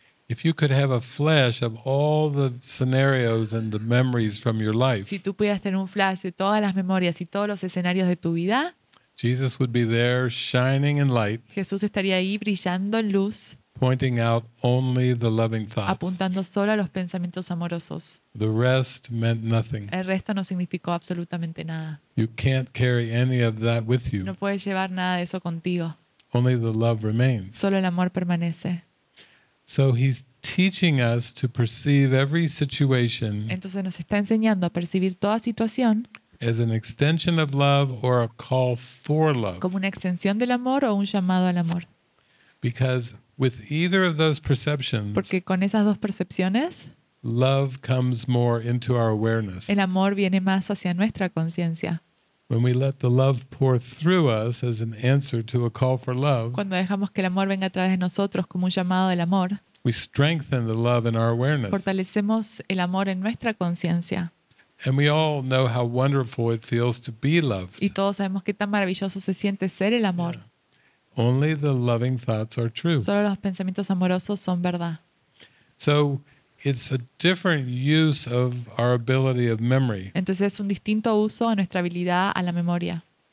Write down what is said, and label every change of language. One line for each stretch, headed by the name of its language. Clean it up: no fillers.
English: If you could have a flash of all the scenarios and the memories from your life.
Spanish: Si tú pudieras tener un flash de todas las memorias y todos los escenarios de tu vida.
English: Jesus would be there shining in light.
Spanish: Jesús estaría ahí brillando en luz.
English: Pointing out only the loving thoughts.
Spanish: Apuntando solo a los pensamientos amorosos.
English: The rest meant nothing.
Spanish: El resto no significó absolutamente nada.
English: You can't carry any of that with you.
Spanish: No puedes llevar nada de eso contigo.
English: Only the love remains.
Spanish: Solo el amor permanece.
English: So he's teaching us to perceive every situation.
Spanish: Entonces nos está enseñando a percibir toda situación.
English: As an extension of love or a call for love.
Spanish: Como una extensión del amor o un llamado al amor.
English: Because with either of those perceptions,
Spanish: porque con esas dos percepciones,
English: love comes more into our awareness.
Spanish: El amor viene más hacia nuestra conciencia.
English: When we let the love pour through us as an answer to a call for love,
Spanish: cuando dejamos que el amor venga a través de nosotros como un llamado del amor,
English: we strengthen the love in our awareness.
Spanish: Fortalecemos el amor en nuestra conciencia.
English: And we all know how wonderful it feels to be loved.
Spanish: Y todos sabemos qué tan maravilloso se siente ser el amor.
English: Yeah. Only the loving thoughts are true.
Spanish: Solo los pensamientos amorosos son verdad.
English: So it's a different use of our ability of memory.
Spanish: Entonces es un distinto uso a nuestra habilidad a la memoria.